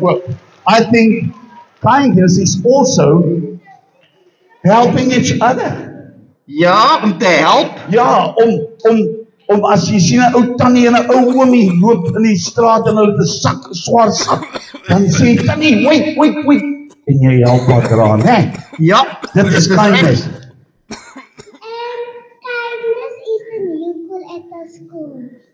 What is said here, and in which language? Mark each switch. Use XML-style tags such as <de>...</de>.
<en>Well, I think kindness is also helping each other.</en> <af>Yeah, om te help. Yeah, om as jy sien 'n ou tannie en 'n ou oomie loop in die straat en hulle het 'n sak swaar sak, dan sê jy tannie, wait, en jy help haar dra, hè? Ja, dit is kindness.</af> <en>Kindness is a new girl at the school.</en>